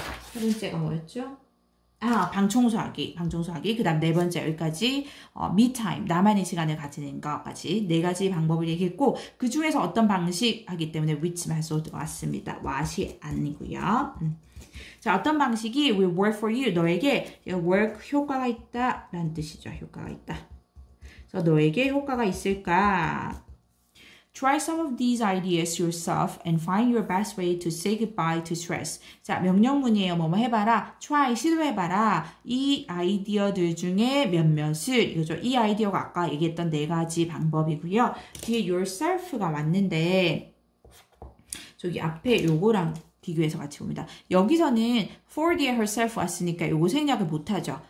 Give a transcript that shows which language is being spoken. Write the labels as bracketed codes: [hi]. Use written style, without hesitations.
[ko] 세 번째가 뭐였죠? 아, 방 청소하기. 그 다음 네 번째 여기까지, [en] me time, [ko] 나만의 시간을 가지는 것까지 네 가지 방법을 얘기했고, 그 중에서 어떤 방식 하기 때문에 [en] which method [ko] 맞습니다. what이 아니고요. 자, 어떤 방식이 [en] will work for you, [ko] 너에게 work 효과가 있다, 라는 뜻이죠. 효과가 있다. 그래서 너에게 효과가 있을까? [en] Try some of these ideas yourself and find your best way to say goodbye to stress. [ko] 자, 명령문이에요. 뭐뭐 해봐라. Try, 시도해봐라. 이 아이디어들 중에 몇몇을, 이거죠. 이 아이디어가 아까 얘기했던 네 가지 방법이고요. 뒤에 yourself가 맞는데, 저기 앞에 요거랑 비교해서 같이 봅니다. 여기서는 [en] for the herself [ko] 왔으니까 요거 생략을 못하죠.